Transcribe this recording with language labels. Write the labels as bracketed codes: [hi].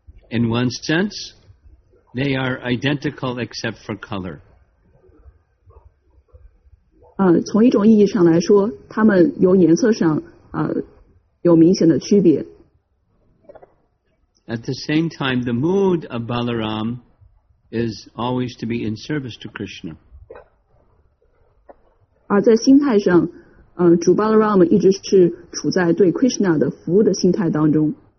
[en] In one sense, they are identical except for color. [zh] 从一种意义上来说，他们有颜色上有明显的区别。 [en] At the same time, the mood of Balaram is always to be in service to Krishna. [zh] 而在心态上，主 Balaram 一直是处在对 Krishna 的服务的心态当中。